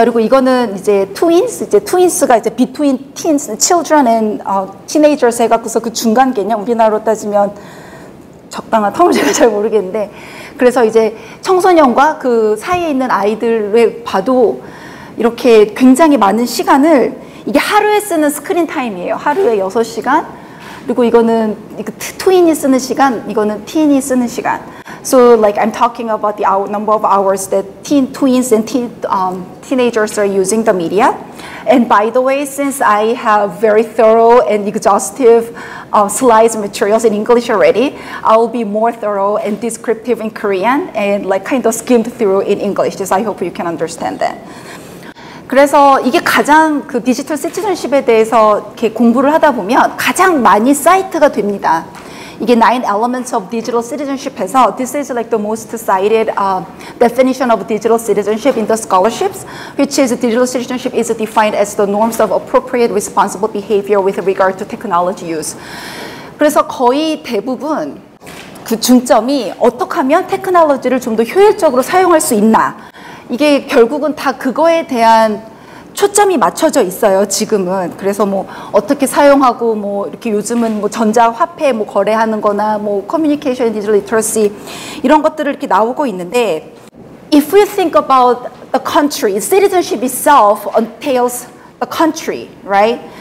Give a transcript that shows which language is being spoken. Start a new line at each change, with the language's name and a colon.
Korean: 그리고 이거는 이제 트윈스가 이제
English: between teens, children and teenagers
Korean: 해갖고서 그 중간 개념, 우리나라로 따지면 적당한 텀을 제가 잘 모르겠는데. 그래서 이제 청소년과 그 사이에 있는 아이들을 봐도 이렇게 굉장히 많은 시간을 이게 하루에 쓰는 스크린 타임이에요. 하루에 6시간. 그리고 이거는 트윈이 쓰는 시간, 이거는 틴이 쓰는 시간.
English: So like I'm talking about the number of hours that teenagers are using the media. And by the way, since I have very thorough and exhaustive slides and materials in English already, I will be more thorough and descriptive in Korean and like kind of skimmed through in English. Just I hope you can understand that.
Korean: 그래서 이게 가장 그 디지털 시티즌십에 대해서 이렇게 공부를 하다 보면 가장 많이 사이트가 됩니다. 이게
English: Nine Elements of Digital Citizenship에서 This is like the most cited definition of digital citizenship in the scholarships, which is digital citizenship is defined as the norms of appropriate responsible behavior with regard to technology use.
Korean: 그래서 거의 대부분 그 중점이 어떻게 하면 테크놀로지를 좀 더 효율적으로 사용할 수 있나. 이게 결국은 다 그거에 대한 초점이 맞춰져 있어요, 지금은. 그래서 뭐, 어떻게 사용하고, 뭐, 이렇게 요즘은 뭐, 전자화폐 뭐, 거래하는 거나, 뭐, communication digital literacy, 이런 것들을 이렇게 나오고 있는데,
English: if we think about the country, citizenship itself entails the country, right?